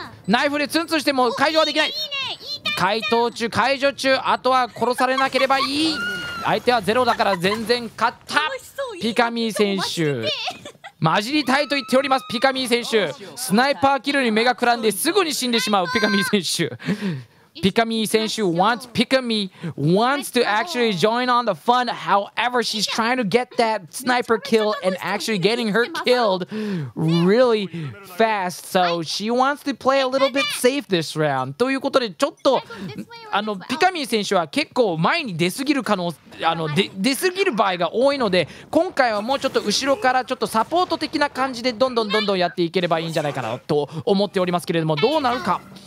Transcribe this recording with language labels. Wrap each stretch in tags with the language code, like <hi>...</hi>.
<ja>ナイフでツンツンしても解除はできない。解答中、解除中、あとは殺されなければいい。相手はゼロだから全然勝った。ピカミー選手。混じりたいと言っておりますピカミー選手。スナイパーキルに目がくらんですぐに死んでしまうピカミー選手。</ja> <en>ピカミー選手 wants Pikamee wants to actually join on the fun. However, she's trying to get that sniper kill and actually getting her killed really fast. So she wants to play a little bit safe this round.</en> <ja>ということでちょっとピカミー選手は結構前に出すぎる可能出すぎる場合が多いので、今回はもうちょっと後ろからちょっとサポート的な感じでどんどんどんどんやっていければいいんじゃないかなと思っておりますけれどもどうなるか。</ja>